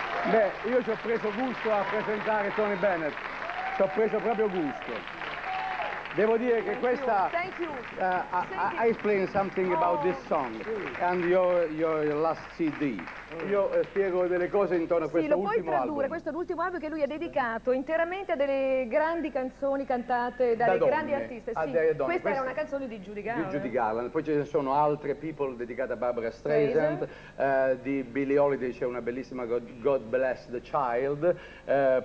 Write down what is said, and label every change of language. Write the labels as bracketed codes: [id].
[it] Beh, io ci ho preso gusto a presentare Tony Bennett, ci ho preso proprio gusto. Devo dire che questa... [en] Thank you. I explain something about this song and your last CD. [it] Io spiego delle cose intorno a questo ultimo album. Sì, lo puoi tradurre, album. Questo è l'ultimo album che lui ha dedicato interamente a delle grandi canzoni cantate dalle da donne, grandi artiste. Sì, questa era una canzone di Judy Garland. Di Judy Garland. Poi ce ne sono altre, People, dedicate a Barbara Streisand. Di Billie Holiday c'è una bellissima God Bless the Child.